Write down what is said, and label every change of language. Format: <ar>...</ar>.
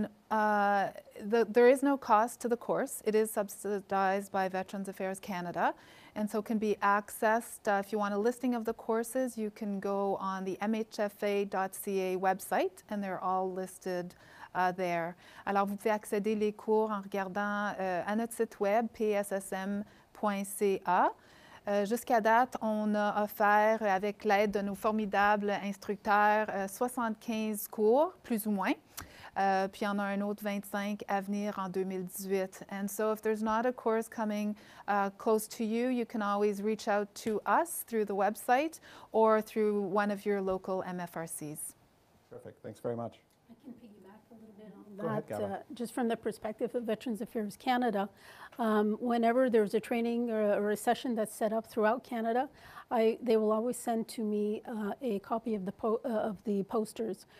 <en>There is no cost to the course. It is subsidized by Veterans Affairs Canada, and so can be accessed. If you want a listing of the courses, you can go on the mhfa.ca website, and they're all listed there.</en> <fr>Alors, vous pouvez accéder les cours en regardant à notre site web, pssm.ca. Jusqu'à date, on a offert, avec l'aide de nos formidables instructeurs, 75 cours, plus ou moins. Puis il y en a un autre 25 à venir en 2018.</fr> <en>And so if there's not a course coming close to you, you can always reach out to us through the website or through one of your local MFRCs. Perfect. Thanks very much. I can piggyback a little bit on that. Just from the perspective of Veterans Affairs Canada, whenever there's a training or a session that's set up throughout Canada, they will always send to me a copy of the posters.</en>